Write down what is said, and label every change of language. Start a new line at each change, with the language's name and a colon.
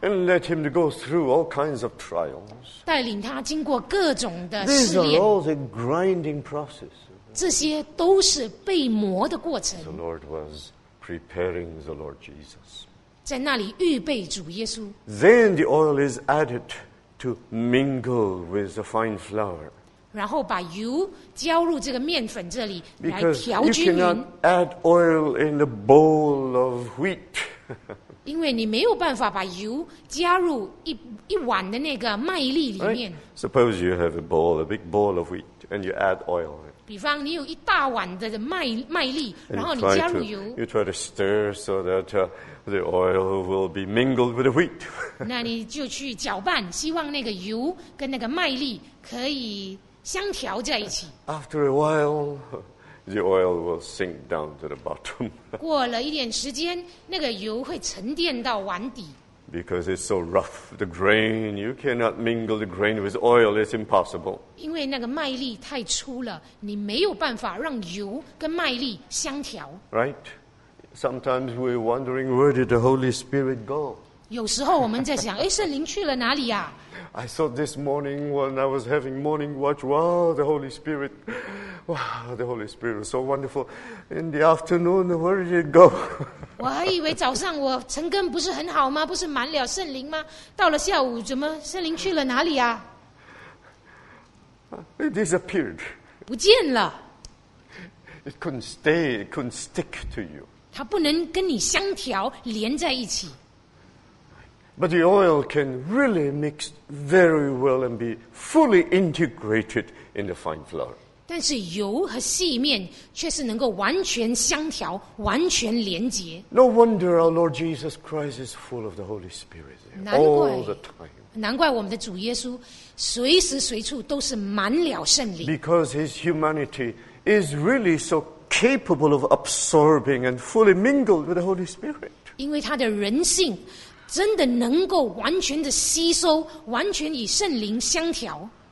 English: And led him to go through all kinds of trials.
Chinese: 带领他经过各种的试炼。
English: These are all the grinding process.
Chinese: 这些都是被磨的过程。
English: The Lord was preparing the Lord Jesus.
Chinese: 在那里预备主耶稣。
English: Then the oil is added to mingle with the fine flour.
Chinese: 然后把油浇入这个面粉这里来调均匀。
English: Because you cannot add oil in a bowl of wheat.
Chinese: 因为你没有办法把油加入 一碗的那个麦粒里面。
English: Right. Suppose you have a bowl, a big bowl of wheat, and you add oil.
Chinese: 比方你有一大碗的麦粒，然后你加入油。
English: You try to stir so that the oil will be mingled with the wheat.
Chinese: 那你就去搅拌，希望那个油跟那个麦粒可以相调在一起。
English: After a while. The oil will sink down to the bottom.
Chinese: 过了一点时间，那个油会沉淀到碗底。
English: Because it's so rough, the grain, you cannot mingle the grain with oil. It's impossible.
Chinese: 因为那个麦粒太粗了，你没有办法让油跟麦粒相调。
English: Right? Sometimes we're wondering where did the Holy Spirit go?
Chinese: 有时候我们在想，哎，圣灵去了哪里呀？
English: I thought this morning when I was having morning watch, wow, the Holy Spirit. Wow, the Holy Spirit was so wonderful. In the afternoon, where did it go?
Chinese: 我还以为早上我晨更不是很好吗？不是满了圣灵吗？到了下午，怎么圣灵去了哪里啊？
English: It disappeared.
Chinese: 不见了。
English: It couldn't stay. It couldn't stick to you.
Chinese: 它不能跟你相调连在一起。
English: But the oil can really mix very well and be fully integrated in the fine flour.
Chinese: 但是油和细面却是能够完全相调、完全连接。
English: No wonder our Lord Jesus Christ is full of the Holy Spirit all the time.
Chinese: 难怪我们的主耶稣随时随处都是满了圣灵。
English: Because his humanity is really so capable of absorbing and fully mingled with the Holy Spirit.
Chinese: 因为他的人性真的能够完全的吸收、完全与圣灵相调。